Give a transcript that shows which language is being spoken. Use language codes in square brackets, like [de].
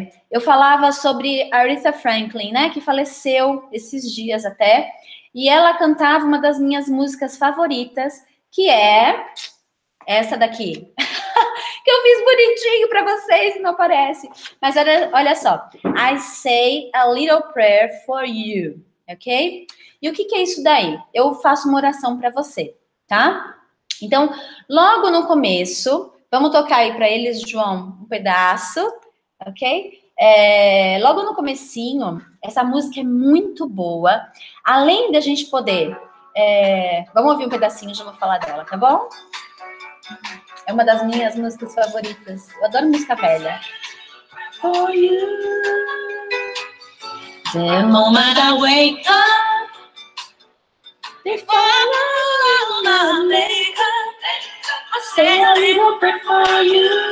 [pt] Eu falava sobre Aretha Franklin, né, que faleceu esses dias até, e ela cantava uma das minhas músicas favoritas, que é essa daqui. eu fiz bonitinho para vocês e não aparece. Mas olha, olha só. [en] I say a little prayer for you, ok? [pt] E o que, que é isso daí? Eu faço uma oração para você, tá? Então, logo no começo, vamos tocar aí para eles, João, um pedaço, ok? Logo no comecinho, essa música é muito boa. Além da gente poder... vamos ouvir um pedacinho, já vou falar dela, tá bom? É uma das minhas músicas favoritas. Eu adoro música velha. [en] For you. The moment I wake up, before I'm a maker, I say a little prayer for you.